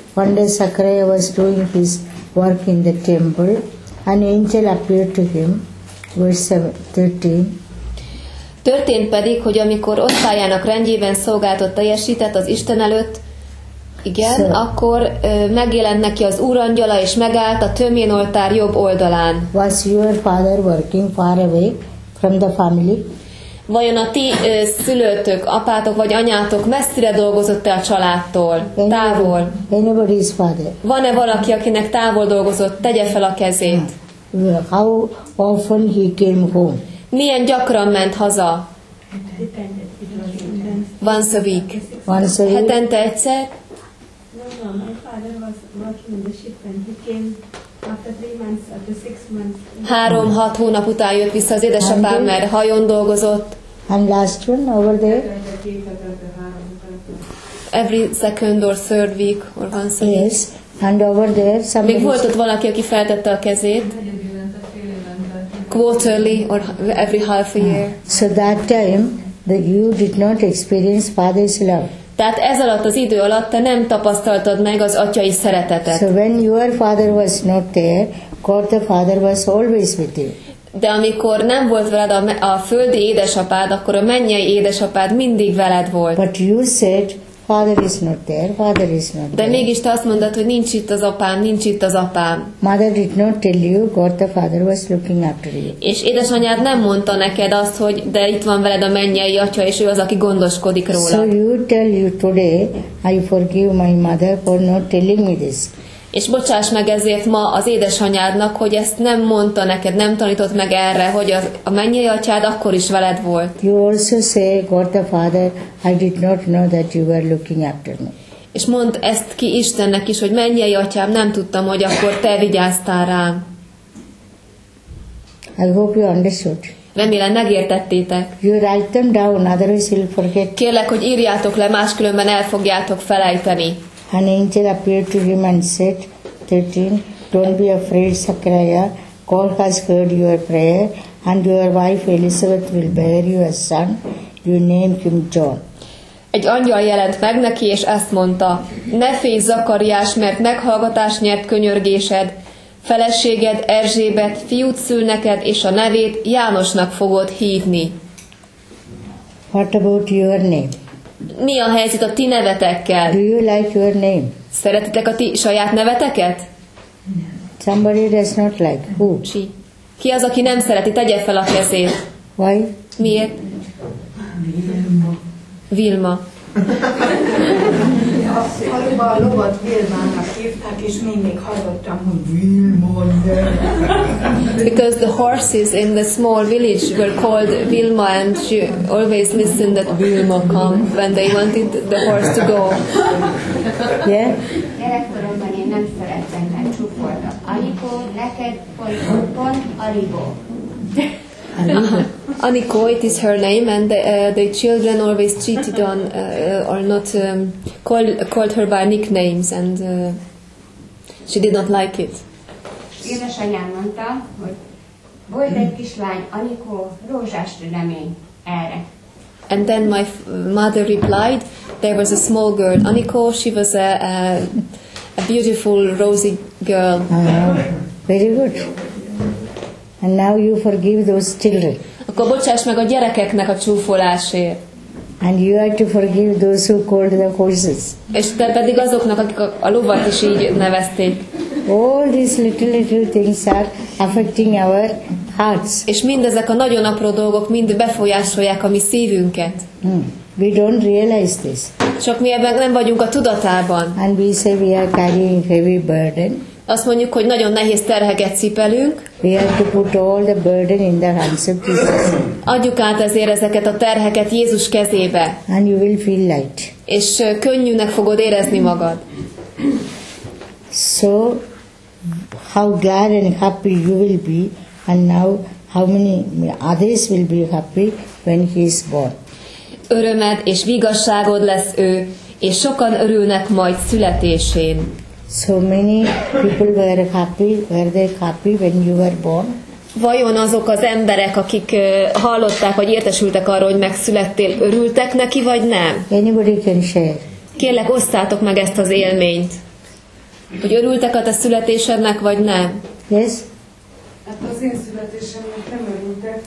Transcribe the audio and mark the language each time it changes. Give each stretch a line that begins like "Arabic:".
English: One day Zachariah was doing his work in the temple. An angel appeared to him. Verse 13.
Hungarian: Történt pedig, hogy amikor osztályának rendjében szolgáltat teljesített az Isten előtt, igen, so, akkor megjelent neki az Úr angyala, és megállt a tömjén oltár jobb oldalán.
English: Was your father working far away from the family?
Hungarian: Vajon a ti szülőtök, apátok vagy anyátok messzire dolgozott-e a családtól, távol?
English: Anybody's father.
Hungarian: Van-e valaki, akinek távol dolgozott, tegye fel a kezét?
English: How often he came home?
Hungarian: Milyen gyakran ment haza?
English: Once a week. Once a week.
Hungarian: Hetente egyszer?
English: No, my father was working in the ship and he came after 3 months, after 6 months.
Hungarian: 3-6 hónap után jött vissza az édesapám, mert hajón dolgozott.
English: And last one over there? Every second or third week or once a week. Yes, and over there somebody...
Hungarian: Még volt ott valaki, aki feltette a kezét?
English: Quarterly or every half a year. So that time that you did not experience father's love.
Hungarian: Tehát ez alatt az idő alatt te nem tapasztaltad meg az atyai szeretetet.
English: So when your father was not there, God the Father was always with you.
Hungarian: De amikor nem volt veled a földi édesapád, akkor a mennyei édesapád mindig veled volt.
English: But you said father is not there, father is not there.
Hungarian: De mégis te azt mondod, hogy nincs itt az apám, nincs itt az apám.
English: Mother did not tell you, God the Father was looking after you.
Hungarian: És édesanyád nem mondta neked azt, hogy de itt van veled a mennyei atya, és ő az, aki gondoskodik róla.
English: So you tell you today, I forgive my mother for not telling me this.
Hungarian: És bocsáss meg ezért ma az édesanyádnak, hogy ezt nem mondta neked, nem tanított meg erre, hogy a mennyei atyád akkor is veled volt.
English: You also say, God the Father, I did not know that you were looking after me.
Hungarian: És mondd ezt ki Istennek is, hogy mennyei atyám, nem tudtam, hogy akkor te vigyáztál rám.
English: I hope you understood.
Hungarian: Remélem megértettétek.
English: You write them down, otherwise you'll forget.
Hungarian: Kérlek, hogy írjátok le, máskülönben el fogjátok felejteni.
English: An angel appeared to him and said, 13, don't be afraid, Zachariah, God has heard your prayer, and your wife Elizabeth will bear you a son, you name him John.
Hungarian: Egy angyal jelent meg neki, és ezt mondta, ne félj, Zakariás, mert meghallgatás nyert könyörgésed, feleséged Erzsébet, fiút szül neked, és a nevét Jánosnak fogod hívni.
English: What about your name?
Hungarian: Mi a helyzet a ti nevetekkel?
English: Do you like your name?
Hungarian: Szeretitek a ti saját neveteket?
English: Somebody does not like. Who?
Hungarian: Si. Ki az, aki nem szereti? Tegye fel a kezét.
English: Why?
Hungarian: Miért? Vilma. Vilma. Halva a lovat Vilmának hívták, és még hallottam, hogy Vilma.
English: Because the horses in the small village were called Vilma, and she always listened that Vilma come when they wanted the horse to go. Yeah?
Hungarian: Gyerekkoromban én nem szerettem, mert csúfoltak. Anikó, neked folyton Aribó.
English: Aniko, it is her name, and the children always cheated on or not called her by nicknames, and she did not like it.
Hungarian: Édesanyám mondta, hogy volt egy kislány, Aniko, rózsás tünemény erre.
English: And then my mother replied, there was a small girl, Aniko, she was a beautiful, rosy girl. Very good. And now you forgive those children.
Hungarian: Akkor bocsáss meg a gyerekeknek a csúfolásért.
English: And you have to forgive those who called the horses.
Hungarian: És te pedig azoknak, akik a lovat is így nevezték.
English: All these little things are affecting our hearts.
Hungarian: És mindezek a nagyon apró dolgok mind befolyásolják a mi szívünket.
English: We don't realize this.
Hungarian: Csak mi ebben nem vagyunk a tudatában.
English: And we say we are carrying heavy burden.
Hungarian: Azt mondjuk, hogy nagyon nehéz terheket cipelünk.
English: We have to put all the burden in the hands of Jesus.
Hungarian: Adjuk át ezért ezeket a terheket Jézus kezébe.
English: And you will feel light.
Hungarian: És könnyűnek fogod érezni magad.
English: So, how glad and happy you will be, and now how many others will be happy when he is born.
Hungarian: Örömed és vigasságod lesz ő, és sokan örülnek majd születésén.
English: So many people were they happy when you were born?
Hungarian: Vajon azok az emberek, akik hallották, vagy értesültek arról, hogy megszülettél, örültek neki, vagy nem?
English: Anybody can share.
Hungarian: Kérlek, osszátok meg ezt az élményt. Hogy örültek a te születésednek, vagy nem?
English: Yes.
Hungarian: Hát az én születésemnek nem örültek.